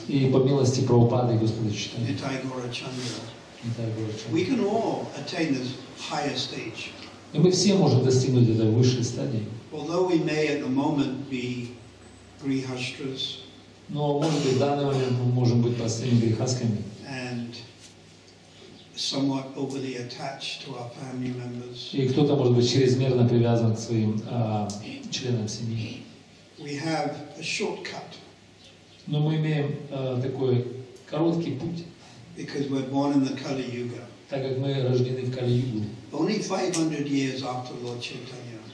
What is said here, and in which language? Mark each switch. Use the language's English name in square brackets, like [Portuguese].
[Russian] И по милости Прабхупады и Господа Чайтанья. [English] Nitai Gaura Chandra. We can all attain this higher stage. [Russian] И мы все можем достигнуть этой высшей стадии. [English] Although we may at the moment be grihastras. [Russian] Но может быть в данный момент мы можем быть простыми грихасками. [English] And somewhat overly attached to our family members. [Russian] И кто-то может быть чрезмерно привязан к своим членам семьи. [English] We have a shortcut. [Russian] Но мы имеем такой короткий путь. [English] Because we're born in the Kali Yuga. [Russian] Так как мы рождены в Кали-Югу. [English] Only 500 years after Lord Chaitanya.